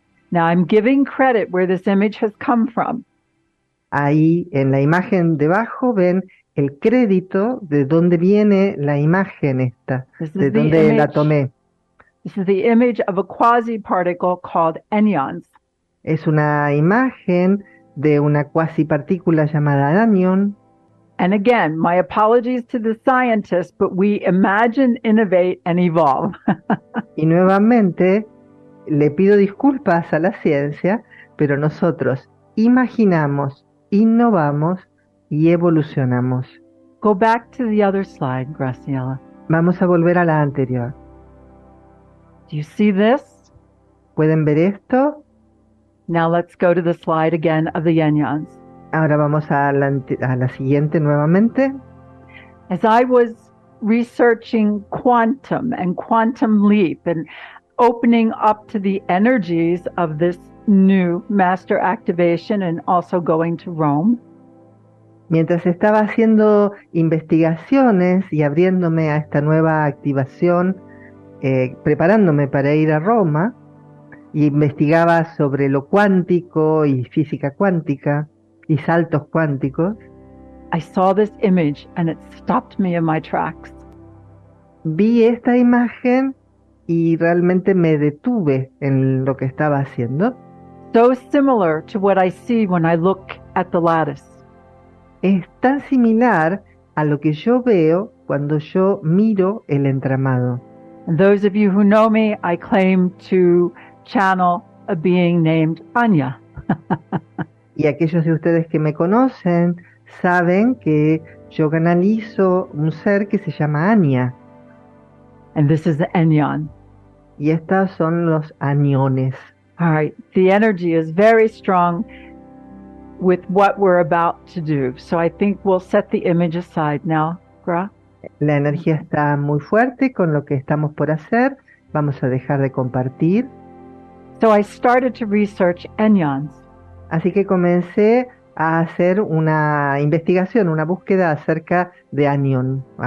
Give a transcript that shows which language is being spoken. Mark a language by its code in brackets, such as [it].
[en] Now I'm giving credit where this image has come from. [es] Ahí en la imagen debajo ven el crédito de dónde viene la imagen esta, de dónde la tomé. [en] This is the image of a quasi-particle called anions. [es] Es una imagen de una cuasi-partícula llamada anion. [en] And again, my apologies to the scientists, but we imagine, innovate, and evolve. [es] Y nuevamente, le pido disculpas a la ciencia, pero nosotros imaginamos, innovamos y evolucionamos. [en] Go back to the other slide, Graciela. [es] Vamos a volver a la anterior. [en] Do you see this? [es] ¿Pueden ver esto? [en] Now let's go to the slide again of the anions. [es] Ahora vamos a la siguiente nuevamente. [en] As I was researching quantum and quantum leap and opening up to the energies of this new master activation and also going to Rome. [es] Mientras estaba haciendo investigaciones y abriéndome a esta nueva activación, preparándome para ir a Roma, y investigaba sobre lo cuántico y física cuántica y saltos cuánticos, [en] I saw this image and it stopped me in my tracks. [es] Vi esta imagen y realmente me detuve en lo que estaba haciendo. [en] So similar to what I see when I look at the lattice. [es] Es tan similar a lo que yo veo cuando yo miro el entramado. [en] And those of you who know me, I claim to channel a being named Anya. [es] Y aquellos de ustedes que me conocen saben que yo canalizo un ser que se llama Anya. [en] And this is the Enyon. [es] Y estas son los Anyones. [en] All right, the energy is very strong with what we're about to do. So I think we'll set the image aside now, Gra. [es] La energía está muy fuerte con lo que estamos por hacer. Vamos a dejar de compartir. [en] So I started to research Enyons. [es] Así que comencé a hacer una investigación, una búsqueda acerca de Anyon.